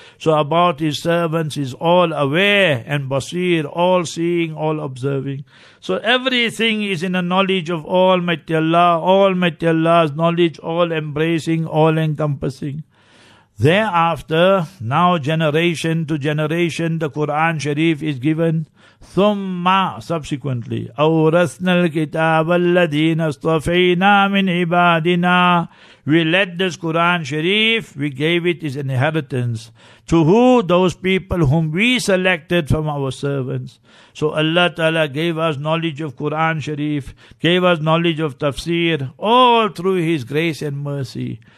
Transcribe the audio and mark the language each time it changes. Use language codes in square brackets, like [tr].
[en] So about His servants, is all aware and basir, all seeing, all observing. So everything is in the knowledge of Almighty Allah, Almighty Allah's knowledge, all embracing, all encompassing. Thereafter, now generation to generation, the Quran Sharif is given. [ar] Thumma, subsequently, أورثنا الكتاب الذين اصطفينا من عبادنا. [en] We led this Quran Sharif, we gave it his inheritance. To who? Those people whom we selected from our servants. So Allah Ta'ala gave us knowledge of Quran Sharif, gave us knowledge of Tafsir, all through His grace and mercy.